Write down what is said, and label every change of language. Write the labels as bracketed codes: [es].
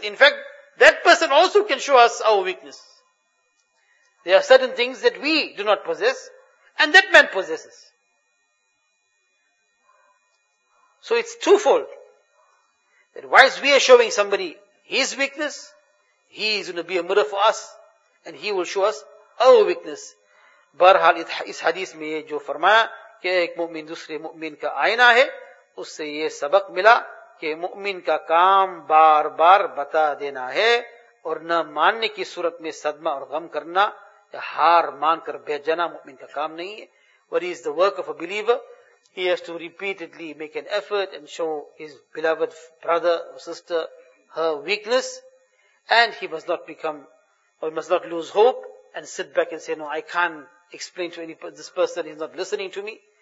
[en] In fact, that person also can show us our weakness. There are certain things that we do not possess, and that man possesses. So it's twofold. That whilst we are showing somebody his weakness, he is going to be a mirror for us, and he will show us our weakness. [ur] Barhal is hadith mein jo farmaya, کہ ایک مؤمن دوسرے مؤمن کا آئینہ ہے, اس سے یہ سبق ملا کہ مؤمن کا کام بار بار بتا دینا ہے اور نہ ماننے کی صورت میں صدمہ اور غم کرنا یا ہار مان کر بیٹھ جانا مؤمن کا کام نہیں ہے. [en] What is the work of a believer? He has to repeatedly make an effort and show his beloved brother or sister her weakness, and he must not become or must not lose hope and sit back and say, no, I can't explain to any person, this person is not listening to me.